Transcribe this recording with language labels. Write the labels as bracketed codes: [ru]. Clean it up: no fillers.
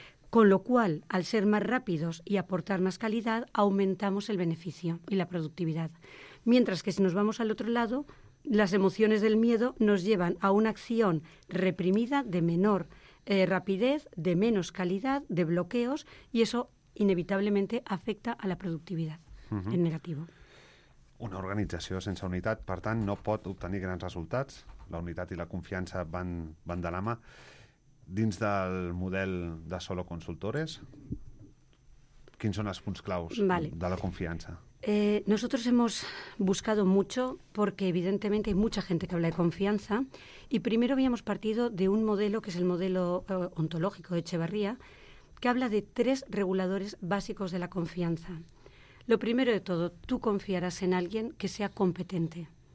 [es] Con lo cual, al ser más rápidos y aportar más calidad, aumentamos el beneficio y la productividad. Mientras que si nos vamos al otro lado, las emociones del miedo nos llevan a una acción reprimida de menor rapidez, de menos calidad, de bloqueos, y eso inevitablemente afecta a la productividad en negativo. [ca] Una organització sense unitat, per tant, no pot obtenir grans resultats. La unitat i la confiança van de la mà. Dins del model de Solo Consultores, quins són els punts claus de la confiança? [es] Nosotros hemos buscado mucho porque evidentemente hay mucha gente que habla de confianza y primero habíamos partido de un modelo que es el modelo ontológico de Echevarría que habla de tres reguladores básicos de la confianza. Lo primero de todo, tú confiarás en alguien que sea competente.